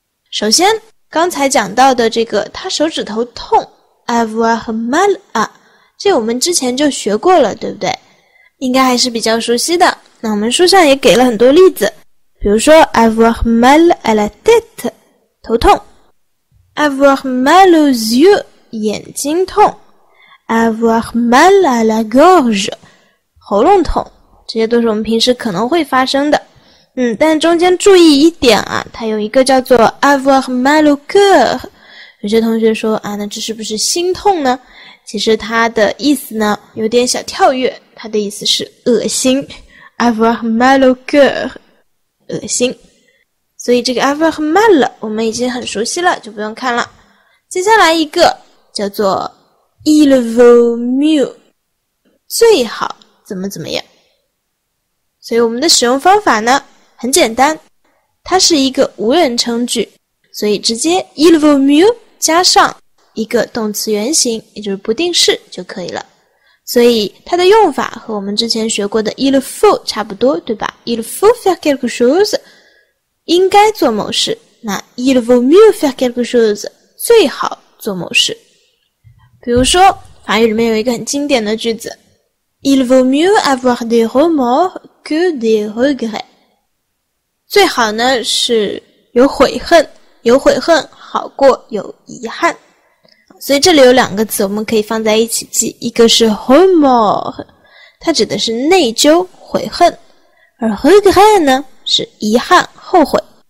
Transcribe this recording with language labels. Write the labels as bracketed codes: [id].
[zh] 首先刚才讲到的这个他手指头痛 [fr] avoir mal à， [zh] 这我们之前就学过了，对不对？应该还是比较熟悉的。那我们书上也给了很多例子，比如说 [fr] avoir mal à la tête， [zh] 头痛。 [fr] Avoir mal aux yeux， [zh] 眼睛痛。 [fr] Avoir mal à la gorge， [zh] 喉咙痛。这些都是我们平时可能会发生的，但中间注意一点啊，它有一个叫做 [fr] Avoir mal au cœur。 [zh] 有些同学说啊，那这是不是心痛呢？其实它的意思呢有点小跳跃，它的意思是恶心。 [fr] Avoir mal au cœur， 恶心。 [zh] 所以这个 avoir mal 我们已经很熟悉了，就不用看了。接下来一个叫做 [fr] il vaut mieux， [zh] 最好怎么怎么样。所以我们的使用方法呢很简单，它是一个无人称句，所以直接 [fr] il vaut mieux [zh] 加上一个动词原形，也就是不定式就可以了。所以它的用法和我们之前学过的 il faut 差不多，对吧？ [fr] il faut faire quelque chose， [zh] 应该做某事，那 [fr] il vaut mieux faire quelque chose， [zh] 最好做某事。比如说法语里面有一个很经典的句子， [fr] il vaut mieux avoir des remords que des regrets， [zh] 最好呢是有悔恨，有悔恨好过有遗憾。所以这里有两个词我们可以放在一起记，一个是 remords， 它指的是内疚悔恨，而 regrets 呢是遗憾后悔。